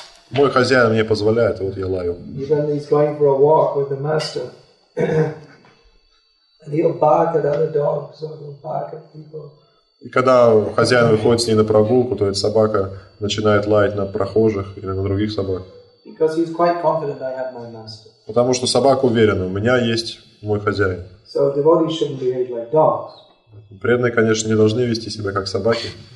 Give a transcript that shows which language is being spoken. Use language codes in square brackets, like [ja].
[ru] Мой хозяин мне позволяет, вот я лаю. [en] Even he's going for a walk with the master. And he'll bark at other dogs, or he'll bark at people. [ru] И когда хозяин выходит с ней на прогулку, то эта собака начинает лаять на прохожих или на других собак. [en] Because he's quite confident I have my master. [ru] Потому что собака уверена, у меня есть мой хозяин. [en] So devotees shouldn't behave like dogs. [ru] Преданные, конечно, не должны вести себя как собаки.